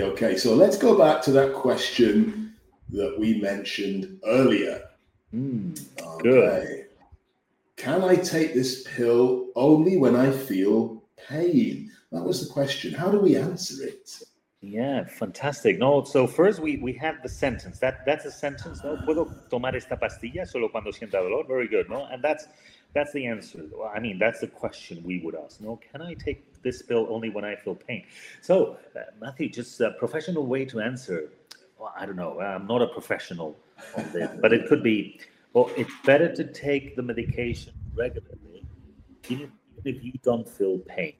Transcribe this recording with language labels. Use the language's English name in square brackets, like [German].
[English] Okay, so let's go back to that question that we mentioned earlier. Good. Can I take this pill only when I feel pain? That was the question. How do we answer it? Yeah, fantastic. No, so first we have the sentence. That's a sentence. [Spanish] No, puedo tomar esta pastilla solo cuando sienta dolor. [English] Very good. No, and that's the answer. I mean, that's the question we would ask. No, can I take this pill only when I feel pain? So, Matthew, just a professional way to answer. Well, I don't know. I'm not a professional on this, but it could be. Well, it's better to take the medication regularly, even if you don't feel pain.